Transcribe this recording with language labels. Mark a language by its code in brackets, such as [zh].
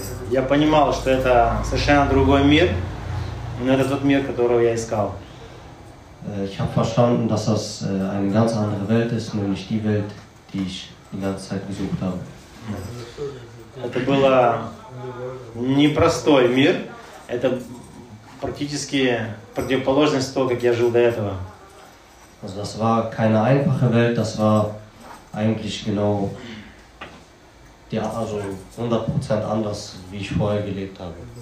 [ru] Я понимал, что это совершенно другой мир, но это тот мир, которого я искал. [de] Ich habe verstanden, dass das eine ganz andere Welt ist, но nicht die Welt, die ich die ganze Zeit gesucht habe. [ru] Это был непростой мир, это практически противоположность того, как я жил до этого. [de] Also das war keine einfache Welt, das war eigentlich genau... Ja, also 100% anders, wie ich vorher gelebt habe.